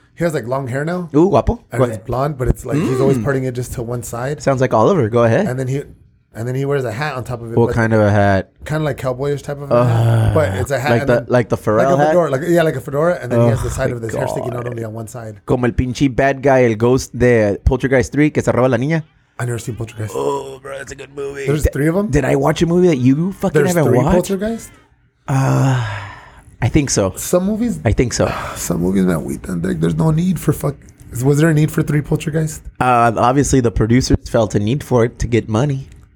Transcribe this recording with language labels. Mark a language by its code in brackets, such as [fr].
[en] He has like long hair now. [es] Ooh, guapo. [en] And he's blonde, but it's like he's always parting it just to one side. Sounds like Oliver. Go ahead. And then he wears a hat on top of it. What kind of a hat? Kind of like cowboyish type of a hat. But it's a hat. Like the Pharrell hat? Like a fedora. And then he has the side of his hair sticking out only on one side. [es] Como el pinche [en] bad guy, [es] el ghost de Poltergeist 3, que se roba la niña. [en] I never seen Poltergeist. Oh, bro, that's a good movie. There's 3 of them? Did I watch a movie that you fucking haven't watched? There's 3 Poltergeist? I think so. Some movies? I think so. Some movies, man, there's no need for was there a need for 3 Poltergeist? Obviously, the producers felt a need for it to get money.